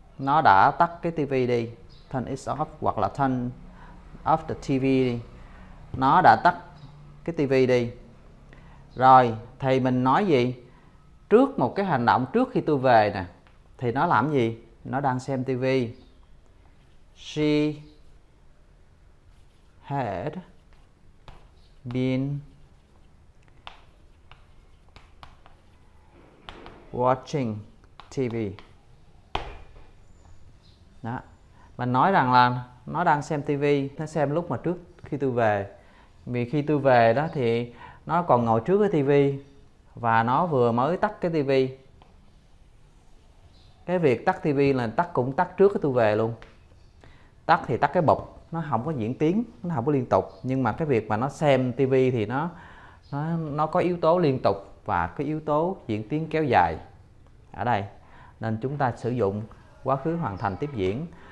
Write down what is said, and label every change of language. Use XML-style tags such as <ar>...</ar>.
<vi>Nó đã tắt cái tivi đi.</vi> <en>Turn it off</en> <vi>hoặc là</vi> <en>turn off the TV</en> <vi>đi. Nó đã tắt cái tivi đi. Rồi, thì mình nói gì? Trước một cái hành động trước khi tôi về nè thì nó làm gì? Nó đang xem tivi.</vi> <en>She had been watching TV.</en> <vi>Đó. Mình nói rằng là nó đang xem tivi, nó xem lúc mà trước khi tôi về. Vì khi tôi về đó thì nó còn ngồi trước cái tivi và nó vừa mới tắt cái tivi. Cái việc tắt tivi là tắt cũng tắt trước cái tôi về luôn. Tắt thì tắt cái bục, nó không có diễn tiến, nó không có liên tục, nhưng mà cái việc mà nó xem tivi thì nó có yếu tố liên tục và cái yếu tố diễn tiến kéo dài ở đây, nên chúng ta sử dụng quá khứ hoàn thành tiếp diễn.</vi>